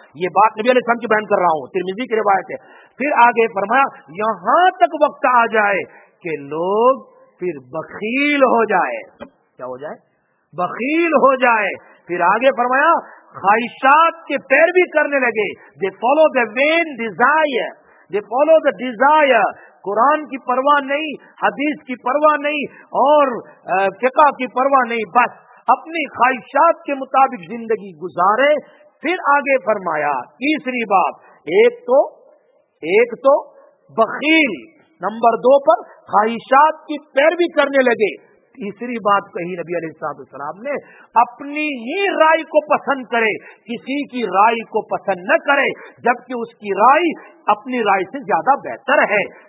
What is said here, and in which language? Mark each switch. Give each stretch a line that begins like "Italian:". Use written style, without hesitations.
Urdu: یہ بات نبی علیہ السلام کی بیان کر رہا ہوں, ترمذی کی روایت ہے. پھر آگے فرمایا یہاں تک وقت آ جائے کہ لوگ پھر بخیل ہو جائے. کیا ہو جائے؟ بخیل ہو جائے. پھر آگے فرمایا خواہشات کے پیر بھی کرنے لگے.
English: They follow the vain desire, they follow the desire.
Urdu: قرآن کی پرواہ نہیں, حدیث کی پرواہ نہیں, اور فقہ کی پرواہ نہیں, بس اپنی خواہشات کے مطابق زندگی گزارے. پھر آگے فرمایا تیسری بات, ایک تو بخیل, نمبر دو پر خواہشات کی پیروی کرنے لگے, تیسری بات کہی نبی علیہ الصلوۃ والسلام نے, اپنی ہی رائے کو پسند کرے, کسی کی رائے کو پسند نہ کرے جبکہ اس کی رائے اپنی رائے سے زیادہ بہتر ہے.